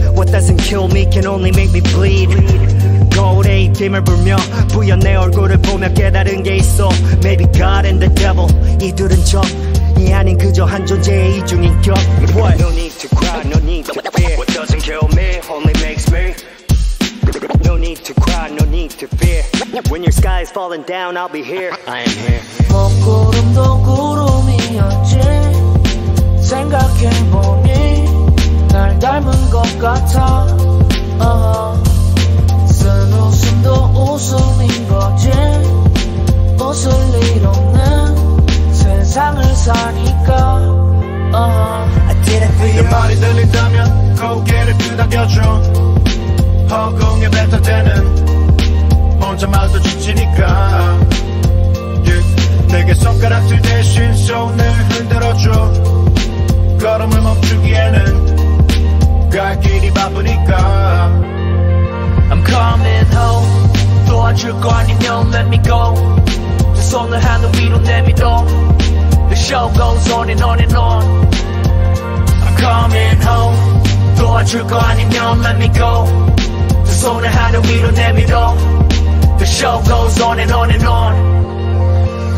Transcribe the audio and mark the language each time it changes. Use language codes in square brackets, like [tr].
[en] What doesn't kill me can only make me bleed. [ko] 거울에 입김을 불며 부연 내 얼굴을 보며 깨달은 게 있어. [en] Maybe God and the devil [ko] 이 둘은 적 이 아닌 그저 한 존재의 이중인격. [en] What? No need to cry, no need to fear. What doesn't kill me only makes me. No need to cry, no need to fear. When your sky is falling down, I'll be here. I am here. [ko] 먹구름도 구름이었지. 생각해보니 날 닮은 것 같아. 쓴 웃음도 웃음인 거지. 웃을 일 없는 세상을 사니까. 내 말이 들린다면 고개를 끄덕여줘. 허공에 뱉어대는 혼자 말도 지치니까. [en] Yeah. [ko] 내게 손가락질 대신 손을 흔들어줘. 걸음을 멈추기에는 갈 길이 바쁘니까. [en] I'm coming home. [ko] 도와줄 거 아니면 [en] let me go. [ko] 두 손을 하늘 위로 내밀어. [en] The show goes on and on and on. I'm coming home. [ko] 도와줄 거 아니면 [en] let me go. [ko] 두 손을 하늘 위로 내밀어. [en] The show goes on and on and on.